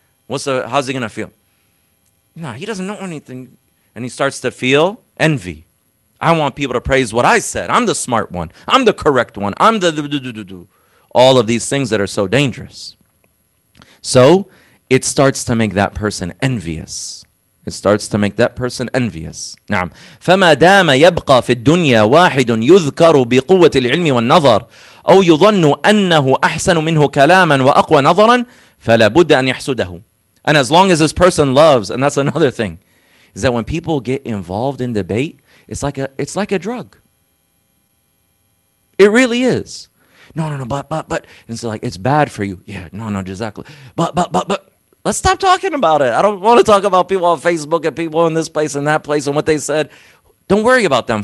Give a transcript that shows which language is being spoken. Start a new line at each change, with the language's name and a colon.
English: How's he going to feel? No, he doesn't know anything. And he starts to feel envy. I want people to praise what I said. I'm the smart one. I'm the correct one. I'm the do-do-do-do-do. All of these things that are so dangerous. So it starts to make that person envious. It starts to make that person envious.
Arabic: نعم. فما دام يبقى في الدنيا واحد يذكر بقوة العلم والنظر أو يظن أنه أحسن منه كلاما وأقوى نظرا فلابد أن يحسده.
English: And as long as this person loves, and that's another thing, is that when people get involved in debate, it's like a drug. It really is. No, but. And so like, it's bad for you. Yeah, no, exactly. But. Let's stop talking about it. I don't want to talk about people on Facebook and people in this place and that place and what they said. Don't worry about them.